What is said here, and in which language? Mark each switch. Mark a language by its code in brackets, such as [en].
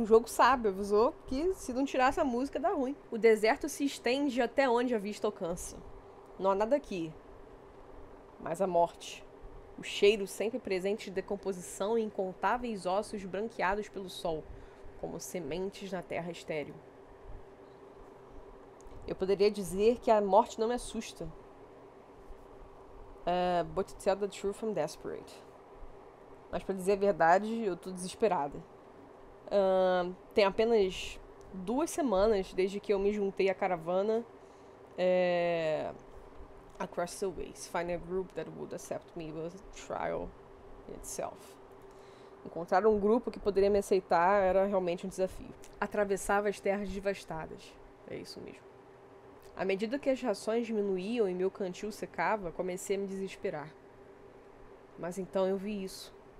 [pt] O jogo sabe, avisou que se não tirar essa música dá ruim. O deserto se estende até onde a vista alcança. Não há nada aqui. Mas a morte. O cheiro sempre presente de decomposição e incontáveis ossos branqueados pelo sol, como sementes na terra estéril. Eu poderia dizer que a morte não me assusta. [en] But to tell the truth, I'm desperate. [pt] Mas pra dizer a verdade, eu tô desesperada. Tem apenas 2 semanas desde que eu me juntei à caravana. [en] Across the ways, find a group that would accept me was a trial in itself. [pt] Encontrar um grupo que poderia me aceitar era realmente um desafio. Atravessava as terras devastadas. É isso mesmo. À medida que as rações diminuíam e meu cantil secava, comecei a me desesperar. Mas então eu vi isso.